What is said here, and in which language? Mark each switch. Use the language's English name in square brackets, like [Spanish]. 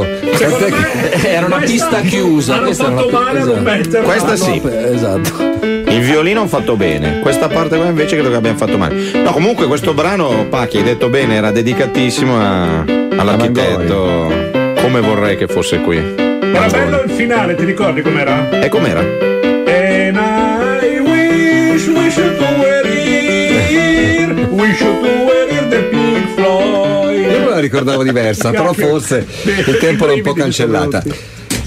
[Italian] Me era una pista chiusa. Questa sì. Il violino ha fatto bene, questa parte qua invece credo che abbiamo fatto male. No, comunque questo brano, Pacchi, hai detto bene, era dedicatissimo all'architetto. Come vorrei che fosse qui. Era bello il finale, ti ricordi com'era? E com'era? [English] And I wish we should do it here. We should do it here, the Pink Floyd. [Italian] Io me la ricordavo diversa, però forse il tempo era un po' cancellata.